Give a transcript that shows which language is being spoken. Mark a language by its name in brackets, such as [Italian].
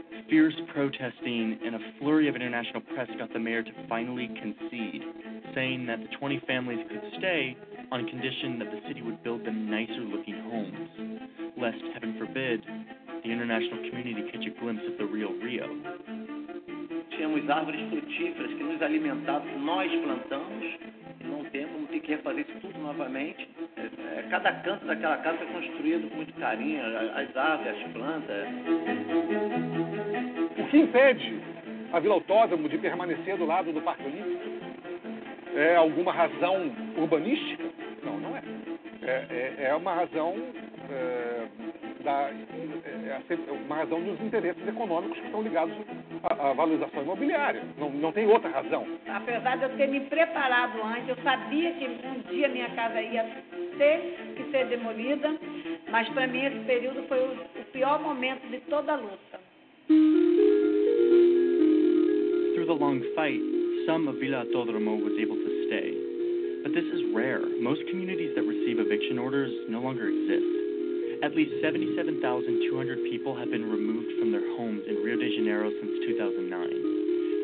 [English] Fierce protesting and a flurry of international press got the mayor to finally concede, saying that the 20 families could stay on condition that the city would build them nicer-looking homes, lest, heaven forbid, the international community catch a glimpse of the real Rio. [Portuguese] Tínhamos árvores frutíferas que nos alimentavam, nós plantamos, e não temos, vamos ter que refazer isso tudo novamente. Cada canto daquela casa é construído com muito carinho, as árvores, as plantas. O que impede a Vila Autódromo de permanecer do lado do Parque Olímpico? É alguma razão urbanística? Não, não é. É uma razão dos interesses econômicos que estão ligados à valorização imobiliária. Não tem outra razão. Apesar de eu ter me preparado antes, eu sabia que um dia minha casa ia ter que ser demolida, mas para mim esse período foi o pior momento de toda a luta. [English] Through the long fight, some of Vila Autódromo was able to stay. But this is rare. Most communities that receive eviction orders no longer exist. At least 77,200 people have been removed from their homes in Rio de Janeiro since 2009.